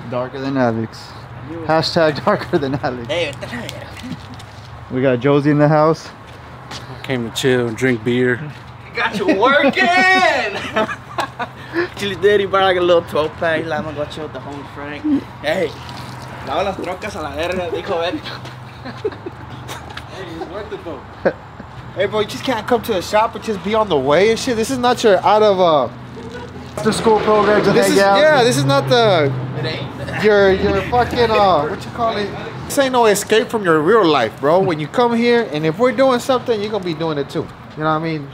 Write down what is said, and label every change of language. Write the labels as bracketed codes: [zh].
[en] Darker than Alex. Hashtag darker than Alex. Hey. We got Josie in the house. Came to chill and drink beer. Got you working! Chili Daddy brought like a little 12 pack. He's like, I'm gonna go chill with the homie Frank. Hey. [es] Lava las trocas a la verga, dijo él. [en] Hey, it's worth it, though. Hey, bro, you just can't come to the shop and just be on the way and shit. This is not your out of after school program to hang out. Yeah, this is not the. It ain't. Your fucking, what you call it? This ain't no escape from your real life, bro. When you come here and if we're doing something, you're gonna be doing it too. You know what I mean?